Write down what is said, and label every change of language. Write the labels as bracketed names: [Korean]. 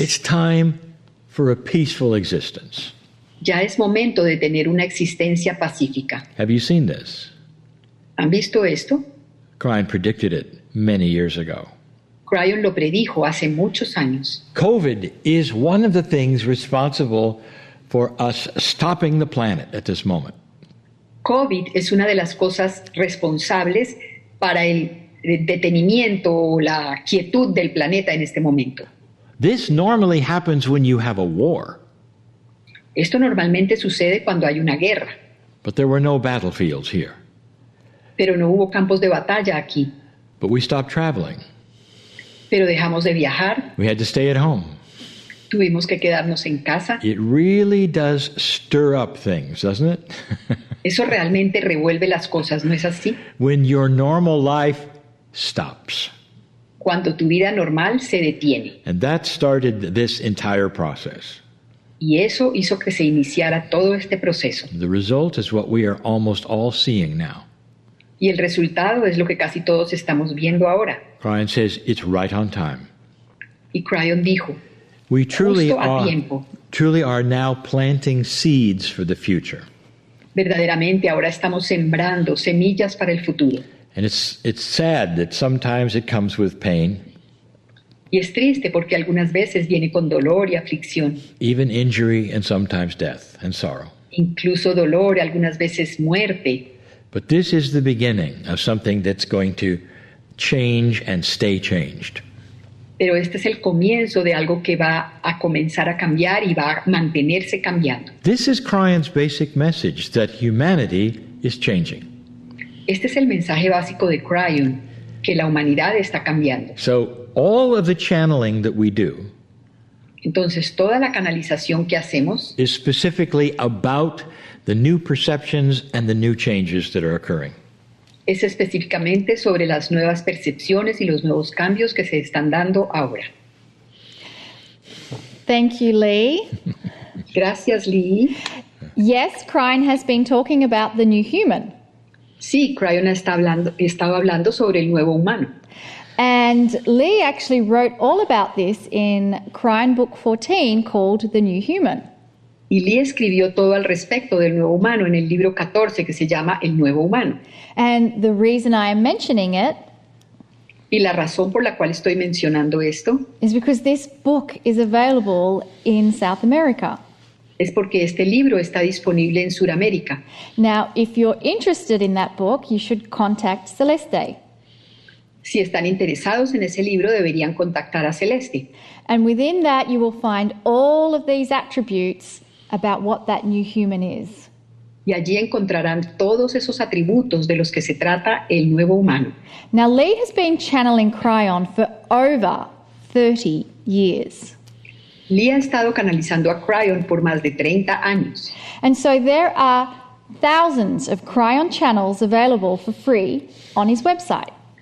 [English] It's time for a peaceful existence. [Spanish] Ya es momento de tener una existencia pacífica. [English] Have you seen this? [Spanish] ¿Han visto esto? [English] Crine predicted it many years ago. [Spanish] Crine lo predijo hace muchos años. [English] COVID is one of the things responsible for us stopping the planet at this moment. [Spanish] COVID es una de las cosas responsables para el detenimiento o la quietud del planeta en este momento. [English] This normally happens when you have a war. [Spanish] Esto normalmente sucede cuando hay una guerra. [English] But there were no battlefields here. [Spanish] Pero no hubo campos de batalla aquí. [English] But we stopped traveling. [Spanish] Pero dejamos de viajar. [English] We had to stay at home. [Spanish] Tuvimos que quedarnos en casa. [English] It really does stir up things, doesn't it? [Spanish] Eso realmente revuelve las cosas, ¿no es así? [English] When your normal life stops. [Spanish] Cuando tu vida normal se detiene. [English] And that started this entire process. [Spanish] Y eso hizo que se iniciara todo este proceso. [English] The result is what we are almost all seeing now. [Spanish] Y el resultado es lo que casi todos estamos viendo ahora. [English] Crine says it's right on time. [Spanish] Y Crine dijo, [English] we truly are now planting seeds for the future. [Spanish] Verdaderamente ahora estamos sembrando semillas para el futuro. [English] And it's sad that sometimes it comes with pain. [Spanish] Y es triste porque algunas veces viene con dolor y aflicción. [English] Even injury and sometimes death and sorrow. [Spanish] Incluso dolor y algunas veces muerte. [English] But this is the beginning of something that's going to change and stay changed. [Spanish] Pero este es el comienzo de algo que va a comenzar a cambiar y va a mantenerse cambiando. [English] This is Crine's basic message, that humanity is changing. [Spanish] Este es el mensaje básico de Crine, que la humanidad está cambiando. [English] So all of the channeling that we do, [Spanish] entonces toda la canalización que hacemos, [English] is specifically about the new perceptions and the new changes that are occurring. [Spanish] Es específicamente sobre las nuevas percepciones y los nuevos cambios que se están dando ahora. [English] Thank you, Lee. [Spanish] Gracias, Lee. [English] Yes, Crine has been talking about the new human. [Spanish] Sí, Crine estaba hablando sobre el nuevo humano. [English] And Lee actually wrote all about this in Crine Book 14 called The New Human. [Spanish] Y Lee escribió todo al respecto del nuevo humano en el libro 14 que se llama El Nuevo Humano. [English] And the reason I am mentioning it, [Spanish] y la razón por la cual estoy mencionando esto, [English] is because this book is available in South America. [Spanish] Es porque este libro está disponible en Sudamérica. [English] Now, if you're interested in that book, you should contact Celeste. [Spanish] Si están interesados en ese libro, deberían contactar a Celeste. [English] And within that, you will find all of these attributes about what that new human is. [Spanish] Y allí encontrarán todos esos atributos de los que se trata el nuevo humano. [English] Now, Lee has been channeling Crine for over 30 years. [Spanish] Lee ha estado canalizando a Crine por más de 30 años. [English] And so there are thousands of Crine channels available for free on his website.